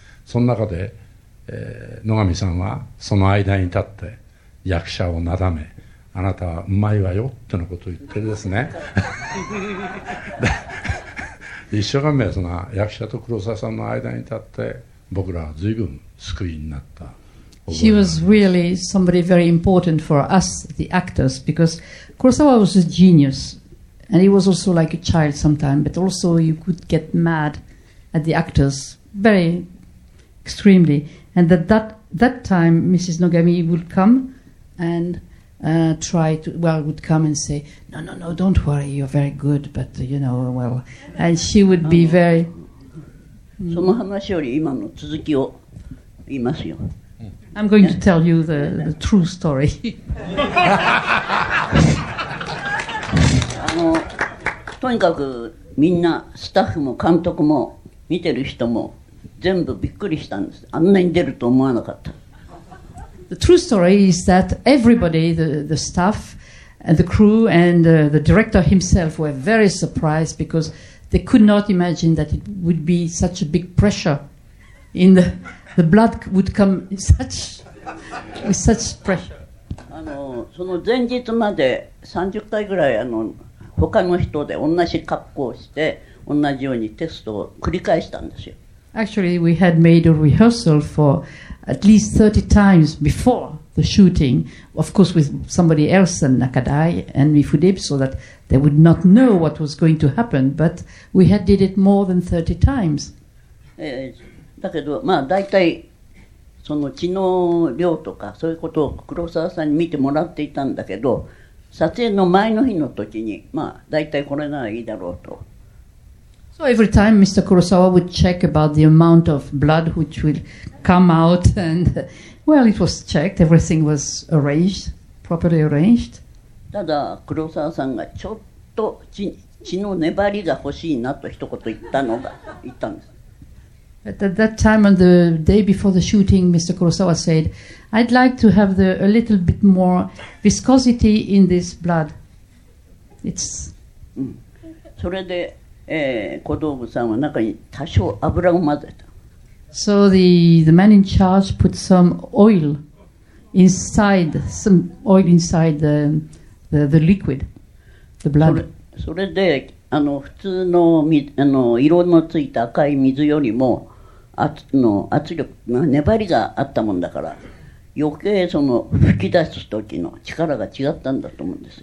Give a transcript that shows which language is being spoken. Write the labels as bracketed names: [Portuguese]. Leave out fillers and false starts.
[Japanese] その中で、野上さんはその間に立って役者をなだめ、あなたはうまいわよってのことを言ってですね一生懸命その役者と黒沢さんの間に立って僕らは随分救いになった。 [English] He was really somebody very important for us, the actors, because Kurosawa was a genius and he was also like a child sometimes, but also you could get mad at the actors very extremely, and that time Mrs. Nogami would come andwould come and say, no, don't worry, you're very good, but you know, well, and she would be very. [Japanese] その話より今の続きを言いますよ。 [English] I'm going to tell you the true story. [Japanese] とにかくみんなスタッフも監督も見てる人も全部びっくりしたんです。あんなに出ると思わなかった。 [English] The true story is that everybody, the staff and the crew and the director himself were very surprised because they could not imagine that it would be such a big pressure in the blood would come with such pressure. [Japanese] その前日まで30回ぐらい他の人で同じ格好をして同じようにテストを繰り返したんですよ。 [English] Actually, we had made a rehearsal for at least 30 times before the shooting, of course with somebody else than Nakadai and Mifudib, so that they would not know what was going to happen, but we had did it more than 30 times. [Japanese] だけど、まあ大体その血の量とかそういうことを黒沢さんに見てもらっていたんだけど、撮影の前の日の時に、まあ大体これならいいだろうと。 [English] So every time Mr. Kurosawa would check about the amount of blood which will come out, and well, it was checked, everything was arranged, properly arranged. [Japanese] ただ黒沢さんがちょっと 血の粘りが欲しいなと一言言ったんです。 [English] But at that time, on the day before the shooting, Mr. Kurosawa said, I'd like to have a little bit more viscosity in this blood. It's... [Japanese] それで、小道具さんは中に多少油を混ぜた。 [English] So the man in charge put some oil inside, the liquid, the blood. [Japanese] それで、あの普通 の, あの色のついた赤い水よりも、の圧力、まあ、粘りがあったもんだから余計その吹き出す時の力が違ったんだと思うんです。